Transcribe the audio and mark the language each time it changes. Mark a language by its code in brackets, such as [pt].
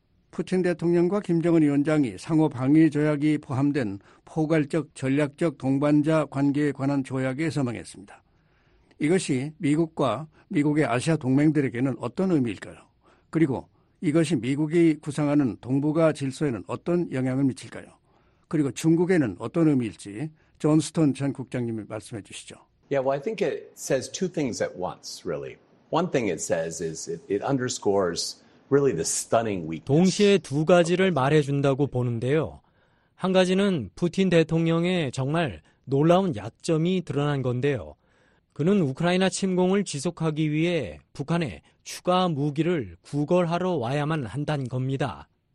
[ko] 푸틴 대통령과 김정은 위원장이 상호 방위 조약이 포함된 포괄적 전략적 동반자 관계에 관한 조약에 서명했습니다. 이것이 미국과 미국의 아시아 동맹들에게는 어떤 의미일까요? 그리고 이것이 미국이 구상하는 동북아 질서에는 어떤 영향을 미칠까요? 그리고 중국에는 어떤 의미일지 존스턴 전 국장님이 말씀해 주시죠. [en] Yeah, well, I think it says two things at once, really. One thing it says is it underscores really the stunning weakness. [ko] 동시에 두 가지를 말해준다고 보는데요. 한 가지는 푸틴 대통령의 정말 놀라운 약점이 드러난 건데요. 그는 우크라이나 침공을 지속하기 위해 북한에 추가 무기를 구걸하러 와야만 한다는 겁니다.